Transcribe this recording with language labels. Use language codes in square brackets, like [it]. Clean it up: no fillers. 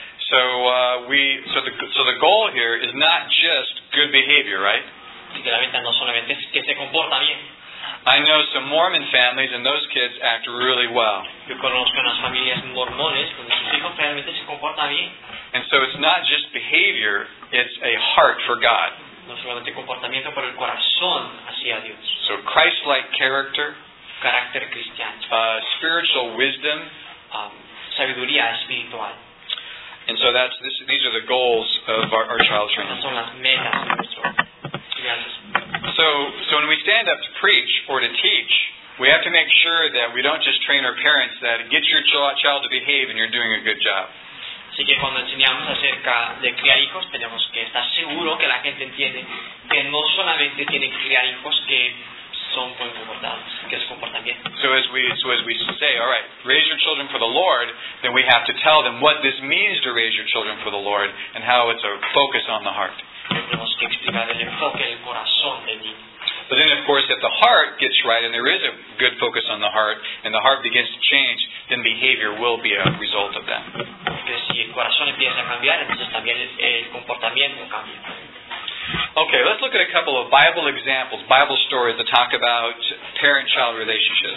[en] So the goal here is not just good behavior, right? [es] La meta no solamente es que se comporta bien. [en] I know some Mormon families and those kids act really well. [es] Yo conozco unas familias mormones donde sus hijos realmente se comportan bien. [en] And so it's not just behavior, it's a heart for God. [es] No solamente comportamiento, pero el corazón hacia Dios. [en] So Christ-like character. [es] Carácter cristiano. [en] Spiritual wisdom. [es] Sabiduría espiritual. [en] And so these are the goals of our child training. [es] Estas son las metas de nuestro. [en] So when we stand up to preach or to teach, we have to make sure that we don't just train our parents that get your child to behave and you're doing a good job. [es] Así que cuando enseñamos acerca de criar hijos, tenemos que estar seguro que la gente entiende que no solamente tienen que criar hijos que son con comportamientos, que es comportamiento. [en] So as we say, all right, raise your children for the Lord, then we have to tell them what this means to raise your children for the Lord and how it's a focus on the heart. [es] Tenemos que explicar el enfoque del corazón de mí. [en] But then, of course, if the heart gets right and there is a good focus on the heart and the heart begins to change, then behavior will be a result of that. [es] Porque si el corazón empieza a cambiar, entonces también el comportamiento cambia. [en] Okay, let's look at a couple of Bible examples, Bible stories that talk about parent-child relationships.